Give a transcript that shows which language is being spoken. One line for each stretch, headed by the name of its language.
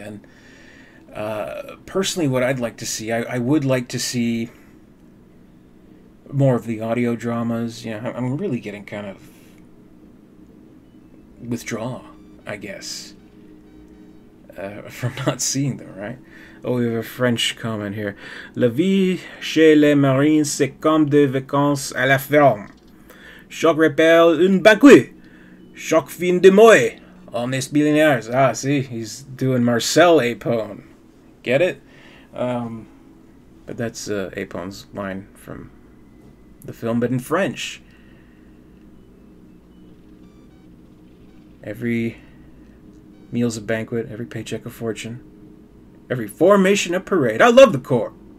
English: And personally, what I'd like to see, I would like to see more of the audio dramas. You know, I'm really getting kind of withdraw, I guess, from not seeing them, right? Oh, we have a French comment here.
French: La vie chez les marines, c'est comme des vacances à la ferme. Chaque repère une bague. Chaque fin de mois, on est millionnaires.
English: Ah, see, he's doing Marcel Aponte. Get it? But that's Aponte's line from the film, but in French. Every meal's a banquet, every paycheck a fortune, every formation a parade. I love the Corps!